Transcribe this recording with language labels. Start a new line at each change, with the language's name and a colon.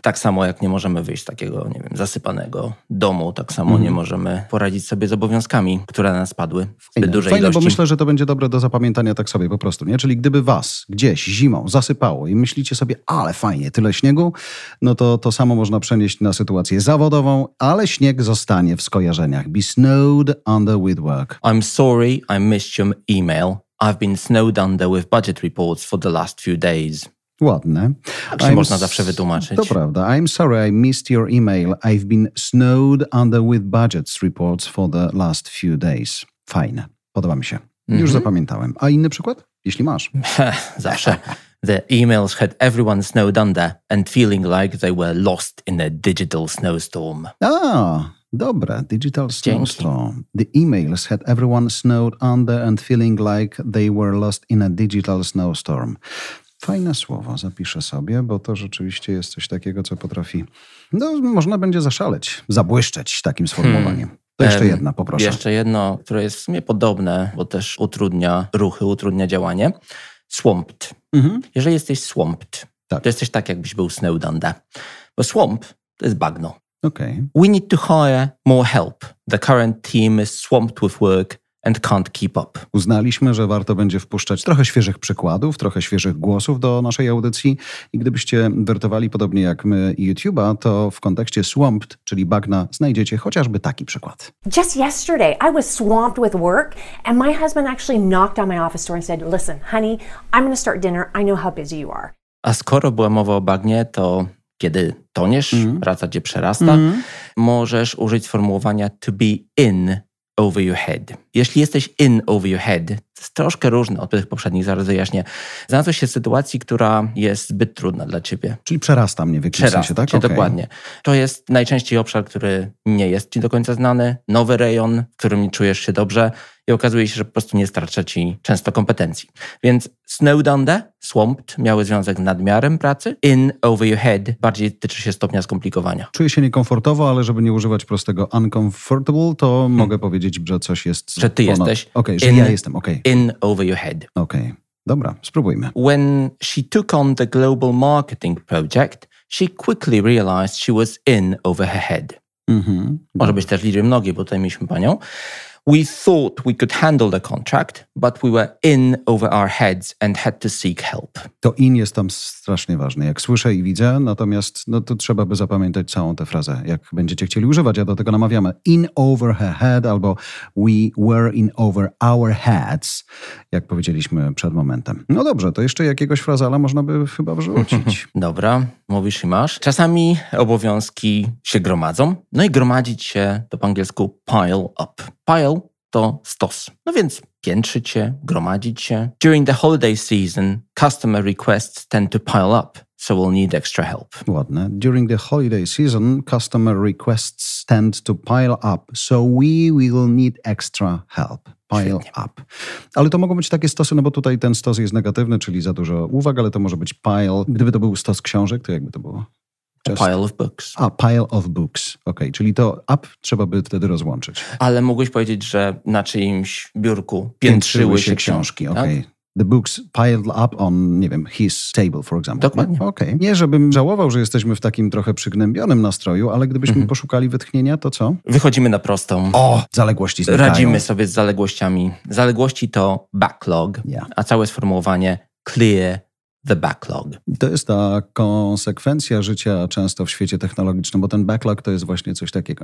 Polish: Tak samo jak nie możemy wyjść z takiego, nie wiem, zasypanego domu, tak samo nie możemy poradzić sobie z obowiązkami, które na nas spadły w zbyt dużej ilości. Fajne, bo myślę, że to będzie dobre do zapamiętania tak sobie po prostu, nie? Czyli gdyby was gdzieś zimą zasypało i myślicie sobie, ale fajnie, tyle śniegu, no to to samo można przenieść na sytuację zawodową, ale śnieg zostanie w skojarzeniach.
English: Be snowed under with work. I'm sorry, I missed you. Email. I've been snowed under with budget reports for the last few days.
Polish: Ładne. Tak się można zawsze wytłumaczyć. To prawda.
English: I'm sorry, I missed your email. I've been snowed under with budget reports for the last few days.
Polish: Fajne. Podoba mi się. Już zapamiętałem. A inny przykład? Jeśli masz. Zawsze.
English: The emails had everyone snowed under and feeling like they were lost in a digital snowstorm. Dobra, digital snowstorm. The emails had everyone snowed under and feeling like they were lost in a digital snowstorm.
Polish: Fajne słowo, zapiszę sobie, bo to rzeczywiście jest coś takiego, co potrafi... No, można będzie zaszaleć, zabłyszczeć takim sformułowaniem. To jeszcze jedna, poproszę. Jeszcze jedno, które jest w sumie podobne, bo też utrudnia ruchy, utrudnia działanie. Swamped. Jeżeli jesteś swamped, tak, to jesteś tak, jakbyś był
English: snowed under.
Polish: Bo swamp to jest bagno.
English: Okay. We need to hire more help. The current team is swamped with work and can't keep up.
Polish: Uznaliśmy, że warto będzie wpuszczać trochę świeżych przykładów, trochę świeżych głosów do naszej audycji. I gdybyście wertowali podobnie jak my YouTube'a, to w kontekście swamped, czyli bagna, znajdziecie chociażby taki przykład.
English: Just yesterday, I was swamped with work and my husband actually knocked on my office door and said, listen, honey, I'm going to start dinner. I know how busy you are.
Polish: A skoro była mowa o bagnie, to... Kiedy toniesz, praca cię przerasta, możesz użyć sformułowania
English: to be in over your head.
Polish: Jeśli jesteś
English: in over your head,
Polish: to jest troszkę różne od tych poprzednich, zaraz wyjaśnię. Znalazłeś się w sytuacji, która jest zbyt trudna dla ciebie. Czyli przerasta mnie w jakimś sensie, tak? Okay. Dokładnie. To jest najczęściej obszar, który nie jest ci do końca znany. Nowy rejon, w którym nie czujesz się dobrze i okazuje się, że po prostu nie starcza ci często kompetencji. Więc snowed under, swamped, miały związek z nadmiarem pracy.
English: In over your head
Polish: bardziej tyczy się stopnia skomplikowania. Czuję się niekomfortowo, ale żeby nie używać prostego uncomfortable, to mogę powiedzieć, że coś jest... Że ty jesteś. Okej, okay, że ja jestem, okej.
English: Okay. In over your head.
Polish: Okej, okay. Dobra, spróbujmy.
English: When she took on the global marketing project, she quickly realized she was in over her head.
Polish: Może być też liczby mnogie, bo tutaj mieliśmy panią.
English: We thought we could handle the contract, but we were in over our heads and had to seek help.
Polish: To in jest tam strasznie ważne, jak słyszę i widzę, natomiast no to trzeba by zapamiętać całą tę frazę, jak będziecie chcieli używać, ja do tego namawiamy.
English: In over her head albo we were in over our heads,
Polish: jak powiedzieliśmy przed momentem. No dobrze, to jeszcze jakiegoś frazala można by chyba wrzucić. Dobra, mówisz i masz. Czasami obowiązki się gromadzą, no i gromadzić się to po angielsku pile up. Pile to stos. No więc piętrzyć się, gromadzić się.
English: During the holiday season, customer requests tend to pile up, so we'll need extra help.
Polish: Ładne.
English: During the holiday season, customer requests tend to pile up, so we will need extra help. Pile up.
Polish: Ale to mogą być takie stosy, no bo tutaj ten stos jest negatywny, czyli za dużo uwag, ale to może być pile. Gdyby to był stos książek, to jakby to było?
English: A pile of books. A, pile of books. Okay.
Polish: Czyli to up trzeba by wtedy rozłączyć. Ale mogłeś powiedzieć, że na czyimś biurku piętrzyły się książki. Tak? Okay.
English: The books piled up on,
Polish: nie wiem,
English: his table, for example.
Polish: Dokładnie. No? Okay. Nie, żebym żałował, że jesteśmy w takim trochę przygnębionym nastroju, ale gdybyśmy poszukali wytchnienia, to co? Wychodzimy na prostą. O, zaległości znikają. Radzimy sobie z zaległościami. Zaległości to backlog, a całe sformułowanie clear
English: the backlog.
Polish: To jest ta konsekwencja życia często w świecie technologicznym, bo ten backlog to jest właśnie coś takiego.